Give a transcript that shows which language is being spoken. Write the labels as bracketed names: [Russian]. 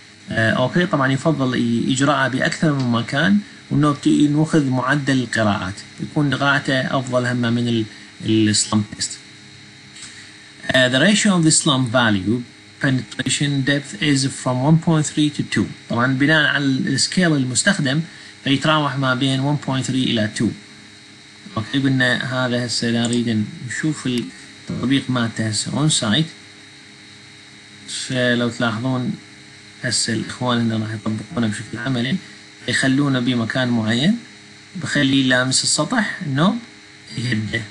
[Arabic] أوكي، طبعا يفضل إجراءها بأكثر من مكان، ونأخذ معدل القراءات يكون قراءته أفضل هما من slump test. [English] The ratio of the slump value penetration depth is from 1.3 to 2. [Arabic] طبعا بناء على السكيل المستخدم فيتراوح ما بين 1.3 الى 2. اوكي، قلنا هذا هسه اذا نريد نشوف التطبيق مالته هسه اون سايت، فلو تلاحظون هسه الاخوان اللي راح يطبقونه بشكل عملي يخلونه بمكان معين، بخليه يلامس السطح نوب يهده.